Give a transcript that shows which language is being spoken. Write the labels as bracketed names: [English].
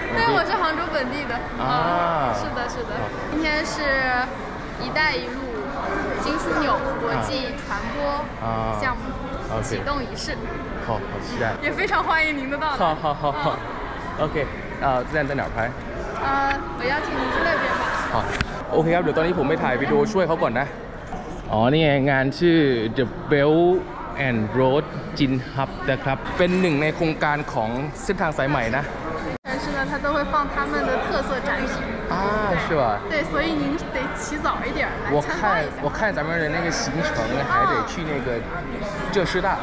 [Chinese] 对我是杭州本地的啊、是的是的、今天是一带一路金枢纽国际传播项目启动仪式、好好期待也非常欢迎您的到来好好好好、OK 自然在哪儿拍我邀请您去那边吧 [Thai] 好 OK ครับเดี๋ยวตอนนี้ผมไปถ่ายวิดีโอช่วยเขาก่อนนะ อ๋อนี่ไงงานชื่อ The Belland road จินฮับนะครับ เป็นหนึ่งในโครงการของเส้นทางสายใหม่นะ [Chinese] แต่是呢他都会放他们的特色展示啊是吧对所以您得起早一点来我看咱们的那个行程还得去那个浙师大